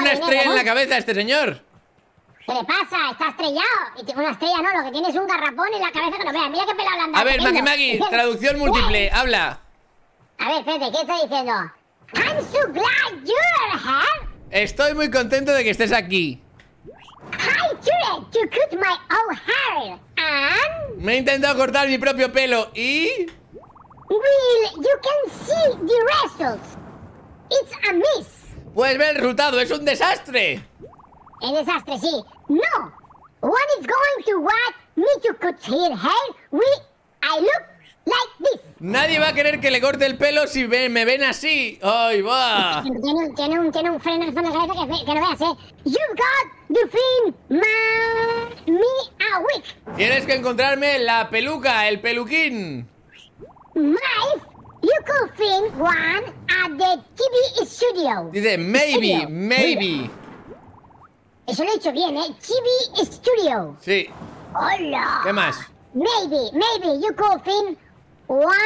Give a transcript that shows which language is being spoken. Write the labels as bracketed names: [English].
[Spanish] una estrella en la cabeza este señor. ¿Qué le pasa? Está estrellado. Y una estrella no, lo que tiene es un garrapón en la cabeza que no vea. Mira qué pelo hablando. A ver, Maki Maki, traducción múltiple, habla. A ver, espérate, ¿qué está diciendo? [English] I'm so glad you're here. [Spanish] Estoy muy contento de que estés aquí. [English] I tried to cut my own hair and... [Spanish] Me he intentado cortar mi propio pelo y... [English] Will, you can see the results. It's a mess. [Spanish] Puedes ver el resultado, es un desastre. El desastre, sí. No. [English] What is going to want me to cut his hair? I look like this. [Spanish] Nadie va a querer que le corte el pelo si me ven así. ¡Ay, va! Tiene un frenazo en la cabeza que no veas, ¿eh? [English] You've got to find me a wig. [Spanish] Tienes que encontrarme la peluca, el peluquín. [English] Maybe you could find one at the TV studio. [Spanish] Dice, [English] maybe, studio. Maybe. [Spanish] Eso lo he dicho bien, ¿eh? TV Studio. Sí. ¡Hola! ¿Qué más? [English] Maybe you could find one.